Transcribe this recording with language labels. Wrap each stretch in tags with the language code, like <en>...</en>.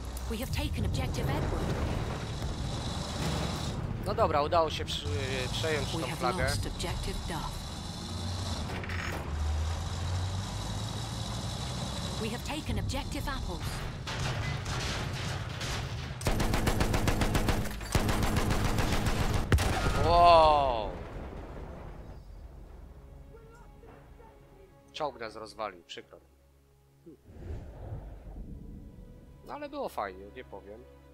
<en>We have taken objective Edward.</en> <pl>No dobra, udało się przejąć tą flagę.</pl> <en>We have lost objective Duff. We have taken objective Apples. Wow.</en> <pl>Czołg nas rozwalił, przykro. No ale było fajnie, nie powiem.</pl>